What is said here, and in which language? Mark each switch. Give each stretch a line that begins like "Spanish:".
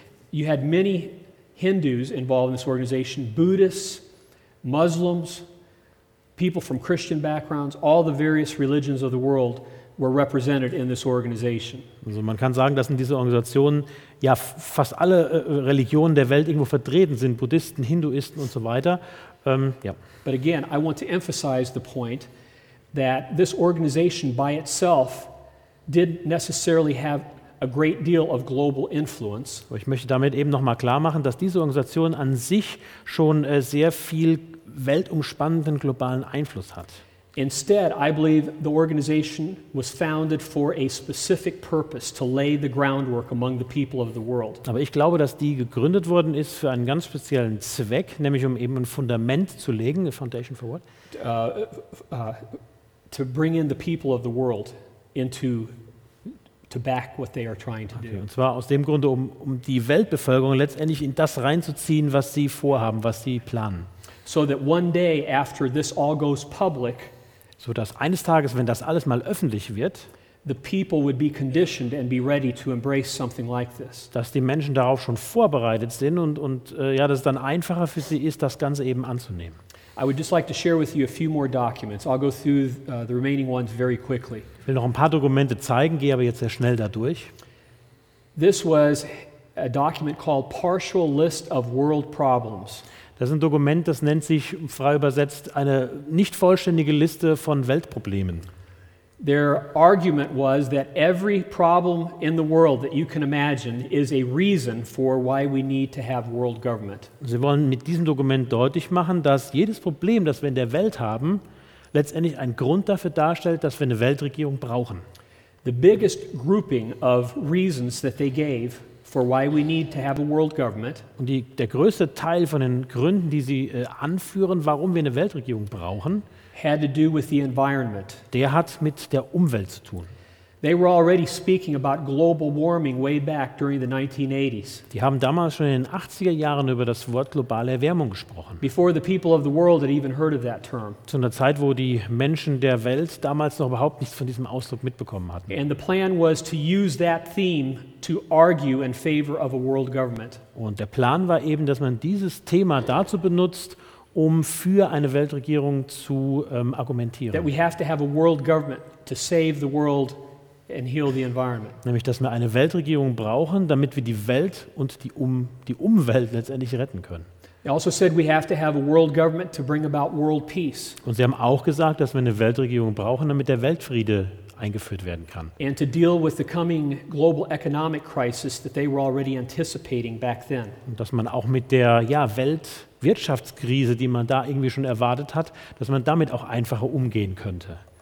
English: You had many Hindus involved in this organization, Buddhists, Muslims, people from Christian backgrounds, all the various religions of the world were represented in this organization.
German: Also man kann sagen, dass in dieser Organisation ja fast alle Religionen der Welt irgendwo vertreten sind, Buddhisten, Hinduisten und so weiter.
English: But again, I want to emphasize the point that this organization by itself didn't necessarily have a great deal of global influence.
German: Ich möchte damit eben noch mal klar machen, dass diese Organisation an sich schon sehr viel weltumspannenden globalen Einfluss hat.
English: Instead, I believe the organization was founded for a specific purpose to lay the groundwork among the people of the world.
German: Aber ich glaube, dass die gegründet worden ist für einen ganz speziellen Zweck, nämlich um eben ein Fundament zu legen,
English: a foundation for what? To bring in the people of the world into to back what they are trying to do.
German: Und zwar aus dem Grunde, um die Weltbevölkerung letztendlich in das reinzuziehen, was sie vorhaben, was sie planen.
English: So that one day after this all goes public,
German: so dass eines Tages, wenn das alles mal öffentlich wird,
English: the people would be conditioned and be ready to embrace something like this.
German: Dass die Menschen darauf schon vorbereitet sind und dass es dann einfacher für sie ist, das Ganze eben anzunehmen.
English: I would just like to share with you a few more documents. I'll go through the remaining ones very quickly.
German: Ich will noch ein paar Dokumente zeigen, gehe aber jetzt sehr schnell dadurch.
English: This was a document called Partial List of World Problems.
German: Das ist ein Dokument, das nennt sich frei übersetzt eine nicht vollständige Liste von Weltproblemen.
English: Their argument was that every problem in the world that you can imagine is a reason for why we need to have world government.
German: Sie wollen mit diesem Dokument deutlich machen, dass jedes Problem, das wir in der Welt haben, letztendlich ein Grund dafür darstellt, dass wir eine Weltregierung brauchen.
English: The biggest grouping of reasons that they gave for why we need to have a world government.
German: Und der größte Teil von den Gründen, die sie anführen, warum wir eine Weltregierung brauchen,
English: had to do with the environment.
German: Der hat mit der Umwelt zu tun.
English: They were already speaking about global warming way back during the 1980s.
German: Die haben damals schon in den 80er Jahren über das Wort globale Erwärmung gesprochen.
English: Before the people of the world had even heard of that term.
German: Zu einer Zeit, wo die Menschen der Welt damals noch überhaupt nichts von diesem Ausdruck mitbekommen hatten.
English: And the plan was to use that theme to argue in favor of a world government.
German: Und der Plan war eben, dass man dieses Thema dazu benutzt, um für eine Weltregierung zu argumentieren.
English: That we have to have a world government to save the world and heal the environment.
German: Nämlich, dass wir eine Weltregierung brauchen, damit wir die Welt und die Umwelt letztendlich retten können.
English: They also said we have to have a world government to bring about world peace.
German: Und sie haben auch gesagt, dass wir eine Weltregierung brauchen, damit der Weltfriede eingeführt werden kann.
English: And to deal with the coming global economic crisis that they were already anticipating back then.
German: Und dass man auch mit der Weltwirtschaftskrise, die man da irgendwie schon erwartet hat, dass man damit auch einfacher umgehen könnte.